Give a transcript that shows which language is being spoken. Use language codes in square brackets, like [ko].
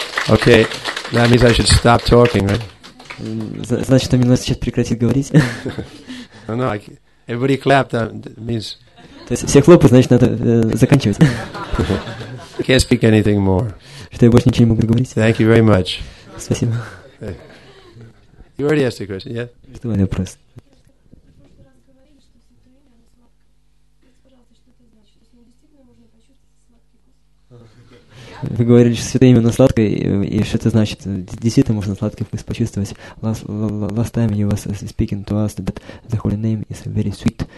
[en] Okay, that means I should stop talking, right? [ru] Значит, мне надо сейчас прекратить говорить. [en] No, everybody clap, that means... [ru] То есть все хлопы, значит, надо заканчивать. [en] Can't speak anything more. [ru] Что я больше ничего не могу говорить. [en] Thank you very much. [ru] Спасибо. [en] You already asked a question, yeah? [ru] Задавай вопрос. Вы говорили, что святое именно сладкое, и что это значит? Действительно можно сладкое вкус почувствовать. [en] Last time you were speaking to us that the holy name is very sweet.